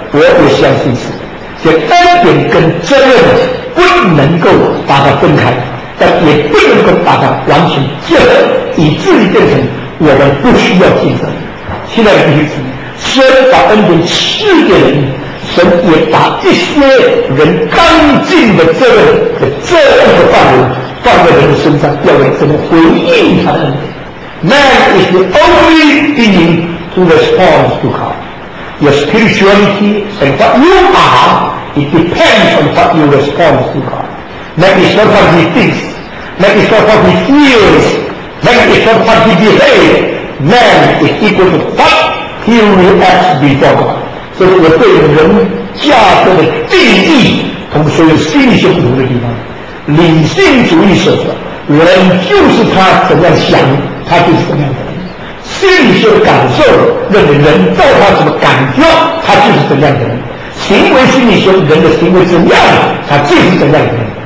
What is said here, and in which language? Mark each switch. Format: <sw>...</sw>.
<zh>我也相信是的。这恩典跟责任不能够把它分开，但也不能够把它完全结合，以至于变成我们不需要尽责任。现在的意思，神把恩典赐给人，神也把一些人当尽的责任的这样的范围放在人的身上，要人怎么回应他的恩典。</zh> <en>Man is the only being who responds to God. Your spirituality and what you are, it depends on what you respond to God. Man is not what he thinks. Man is not what he feels. Man is not what he behaves. Man is equal to what he reacts before God.</en> <zh>所以我对人价值的定义同所有心理学不同的地方，理性主义所说人就是他怎样想他就是怎样的人，心理学的感受认为人造他怎么感觉他就是怎样的人，行为心理学人的行为怎样他就是怎样的人。</zh>